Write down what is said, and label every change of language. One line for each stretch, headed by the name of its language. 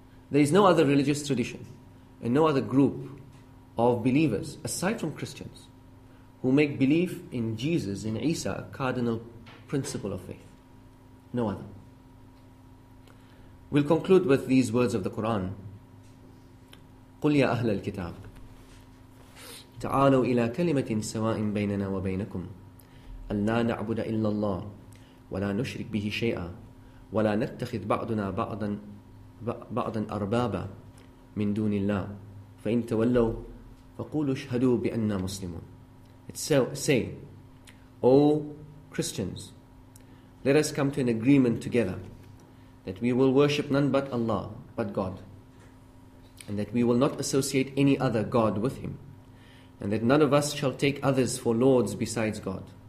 English: There is no other religious tradition and no other group of believers, aside from Christians, who make belief in Jesus, in Isa, a cardinal principle of faith. No other. We'll conclude with these words of the Quran.
Arabic: قُلْ يَا أَهْلَ الْكِتَابِ تعالوا إلى كلمة سواء بيننا وبينكم ألا نعبد إلا الله ولا نشرك به شيئا ولا نتخذ بعضنا بعضا أربابا من دون الله فإن تولوا فقولوا اشهدوا بأننا مسلمون.
English: Say, O Christians, let us come to an agreement together that we will worship none but Allah, but God, and that we will not associate any other God with him, and that none of us shall take others for lords besides God.